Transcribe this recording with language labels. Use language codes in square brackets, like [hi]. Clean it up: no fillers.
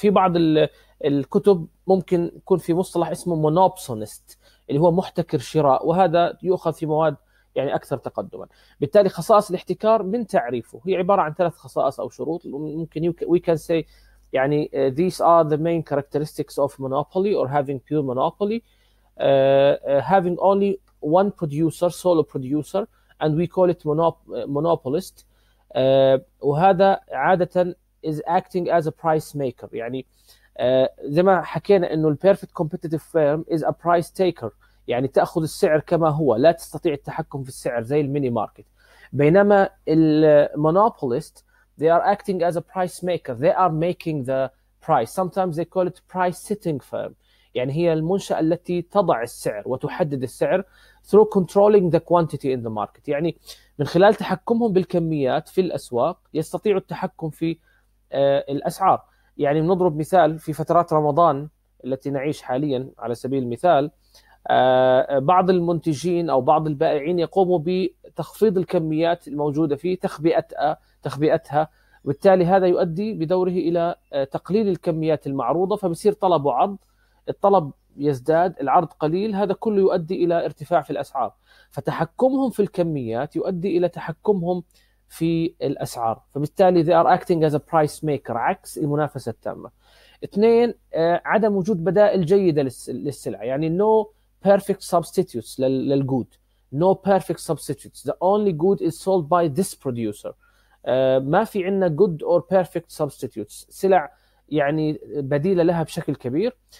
[ar] في بعض الكتب ممكن يكون في مصطلح اسمه مونوبسونيست اللي هو محتكر شراء، وهذا يؤخذ في مواد يعني أكثر تقدما. بالتالي خصائص الاحتكار من تعريفه هي عبارة عن ثلاث خصائص أو شروط، ممكن [en] we can say [ar] يعني [en] these are the main characteristics of monopoly or having pure monopoly. Having only one producer, solo producer, and we call it monopolist. [ar] وهذا عادة [en] is acting as a price maker. [ar] يعني زي ما حكينا إنه [en] the perfect competitive firm is a price taker. [ar] يعني تأخذ السعر كما هو، لا تستطيع التحكم في السعر زي الميني ماركت. بينما [en] المونوبوليست they are acting as a price maker. They are making the price. Sometimes they call it price setting firm. [ar] يعني هي المنشأة التي تضع السعر وتحدد السعر [en] through controlling the quantity in the market. [ar] يعني من خلال تحكمهم بالكميات في الأسواق يستطيعوا التحكم في الأسعار. يعني نضرب مثال، في فترات رمضان التي نعيش حاليا على سبيل المثال، بعض المنتجين أو بعض البائعين يقوموا بتخفيض الكميات الموجودة فيه، تخبئتها، وبالتالي هذا يؤدي بدوره إلى تقليل الكميات المعروضة، فبصير طلب وعرض، الطلب يزداد، العرض قليل، هذا كله يؤدي إلى ارتفاع في الأسعار. فتحكمهم في الكميات يؤدي إلى تحكمهم في الأسعار، فبالتالي [en] they are acting as a price maker، [ar] عكس المنافسة التامة. اثنين، عدم وجود بدائل جيدة للسلعة، يعني [en] no perfect substitutes للgood، no perfect substitutes، the only good is sold by this producer. [ar] ما في عندنا [en] good or perfect substitutes، [ar] سلع يعني بديلة لها بشكل كبير.